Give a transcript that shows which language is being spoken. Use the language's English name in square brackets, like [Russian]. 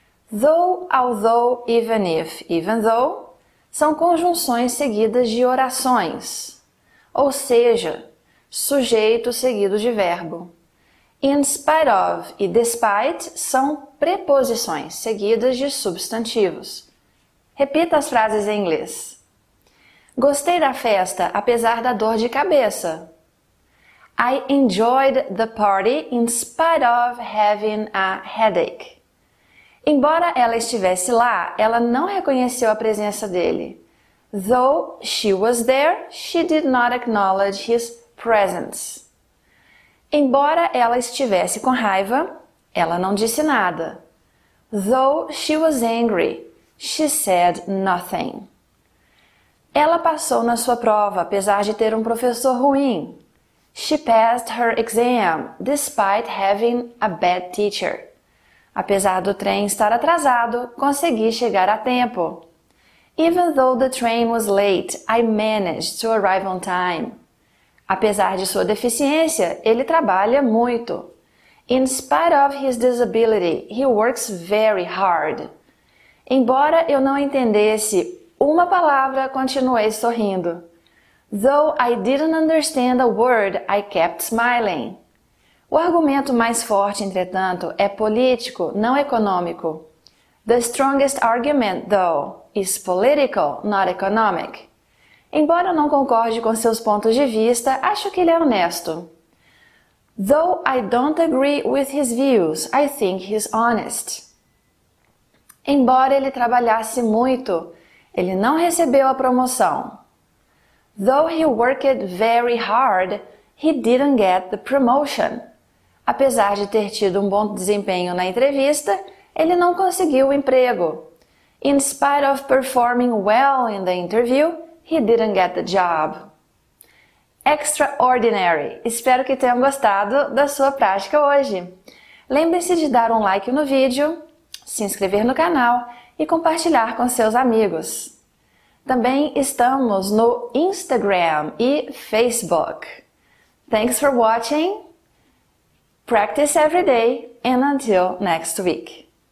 [Portuguese] Though, although, even if, even though são conjunções seguidas de orações, ou seja, sujeito seguido de verbo. In spite of e despite são preposições seguidas de substantivos. Repita as frases em inglês. Gostei da festa, apesar da dor de cabeça. [English] I enjoyed the party in spite of having a headache. [Portuguese] Embora ela estivesse lá, ela não reconheceu a presença dele. [English] Though she was there, she did not acknowledge his presence. [Portuguese] Embora ela estivesse com raiva, ela não disse nada. [English] Though she was angry, she said nothing. [Portuguese] Ela passou na sua prova, apesar de ter um professor ruim. [English] She passed her exam, despite having a bad teacher. [Portuguese] Apesar do trem estar atrasado, consegui chegar a tempo. [English] Even though the train was late, I managed to arrive on time. [Portuguese] Apesar de sua deficiência, ele trabalha muito. [English] In spite of his disability, he works very hard. [Portuguese] Embora eu não entendesse uma palavra, continuei sorrindo. [English] Though I didn't understand a word, I kept smiling. [Portuguese] O argumento mais forte, entretanto, é político, não econômico. [English] The strongest argument, though, is political, not economic. [Portuguese] Embora não concorde com seus pontos de vista, acho que ele é honesto. [English] Though I don't agree with his views, I think he's honest. [Portuguese] Embora ele trabalhasse muito, ele não recebeu a promoção. [English] Though he worked very hard, he didn't get the promotion. [Portuguese] Apesar de ter tido um bom desempenho na entrevista, ele não conseguiu o emprego. [English] In spite of performing well in the interview, he didn't get the job. Extraordinary! [Portuguese] Espero que tenham gostado da sua prática hoje. Lembre-se de dar um like no vídeo, se inscrever no canal e compartilhar com seus amigos. Também estamos no Instagram e Facebook. [English] Thanks for watching. Practice every day and until next week.